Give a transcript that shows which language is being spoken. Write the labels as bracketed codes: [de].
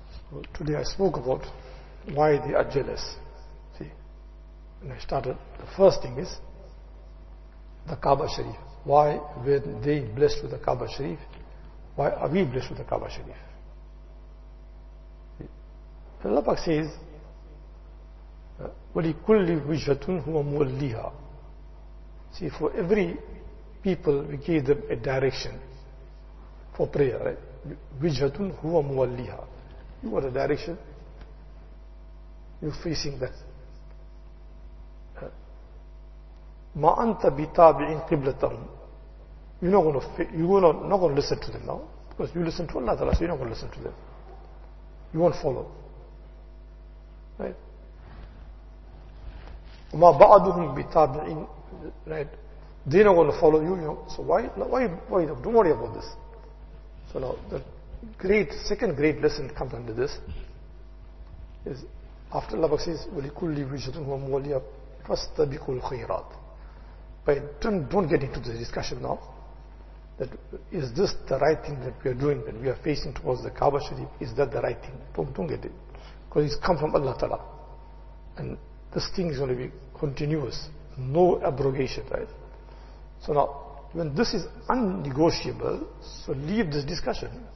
[en] So today I spoke about why they are jealous. See, when I started, the first thing is the Kaaba Sharif. Why were they blessed with the Kaaba Sharif? Why are we blessed with the Kaaba Sharif? [ar] Allah Pak says, وَلِكُلِّ وِجْهَةٌ هُوَ مُوَلِّيهَا. [en] See, for every people, we gave them a direction for prayer, right? [ar] وِجْهَةٌ هُوَ مُوَلِّيهَا. [en] You want a direction? You're facing that. [ar] مَا أَنْتَ بِتَابِعٍ قِبْلَتَهُمْ. [en] You're not going to listen to them now, because you listen to Allah, so you're not going to listen to them. You won't follow. Right? [ar] وَمَا بَعَدُهُمْ بِتَابِعٍ. Right? [en] They're not going to follow you. You know. So why? Don't worry about this. So now, the second great lesson comes under this. Is after Allah says, [ar] وَلِكُلِّ وِجْهَةٌ هُوَ مُوَلِّيهَا فَاسْتَبِقُوا الْخَيْرَاتِ. [en] But don't get into the discussion now. That is this the right thing that we are doing, that we are facing towards the Kaaba Sharif? Is that the right thing? Don't get it. Because it's come from Allah Ta'ala. And this thing is going to be continuous. No abrogation, right? So now, when this is unnegotiable, so leave this discussion.